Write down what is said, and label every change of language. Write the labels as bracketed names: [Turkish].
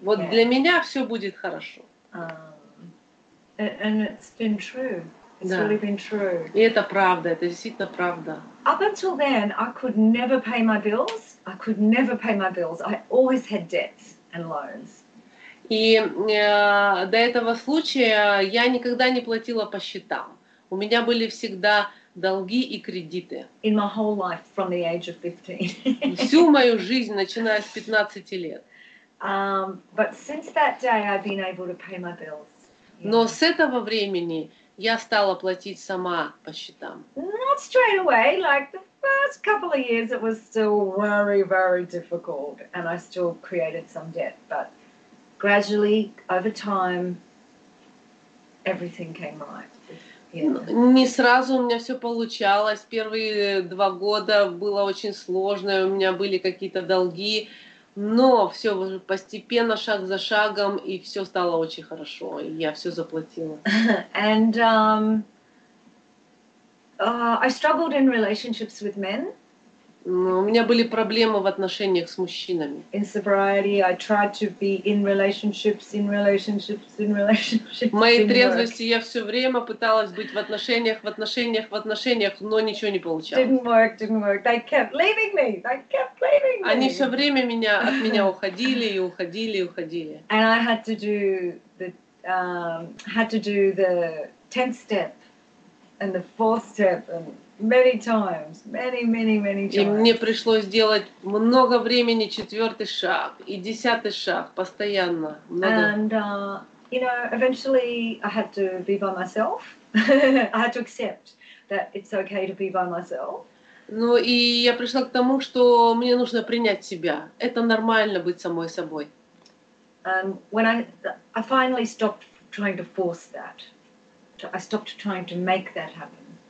[Russian] Вот для меня все будет хорошо. [English] And it's been true. It's [Russian] да. [English] Really been true. [Russian] И это правда, это действительно правда. [English] Up until then, I could never pay my bills. I could never pay my bills. I always had debts and loans. [Russian] И до этого случая я никогда не платила по счетам. У меня были всегда долги и кредиты. [English] In my whole life, from the age of 15. [Russian] Всю мою жизнь, начиная с 15 лет. [English] But since that day, I've been able to pay my bills. [Russian] Но с этого времени я стала платить сама по счетам. [English] Not straight away, like the first couple of years it was still very, very difficult and I still created some debt, but gradually, over time, everything came right. [Russian] Не сразу у меня все получалось. Первые два года было очень сложно, у меня были какие-то долги, но все постепенно, шаг за шагом, и все стало очень хорошо, и я все заплатила. [English] And I struggled in relationships with men. [Russian] У меня были проблемы в отношениях с мужчинами. [English] In sobriety, I tried to be in relationships, in relationships, in relationships. [Russian] В моей трезвости я все время пыталась быть в отношениях, в отношениях, в отношениях, но ничего не получалось. [English] Didn't work, didn't work. They kept leaving me. They kept leaving me. [Russian] Они все время меня от меня уходили и уходили и уходили. [English] And I had to do the 10th step and the 4th step and many times, many, many, many times. [Russian] И мне пришлось делать много времени четвертый шаг и десятый шаг постоянно. Много... [English] And you know, eventually I had to be by myself. I had to accept that it's okay to be by myself. [Russian] Ну и я пришла к тому, что мне нужно принять себя. Это нормально быть самой собой. [English] And when I finally stopped trying to force that, I stopped trying to make that happen.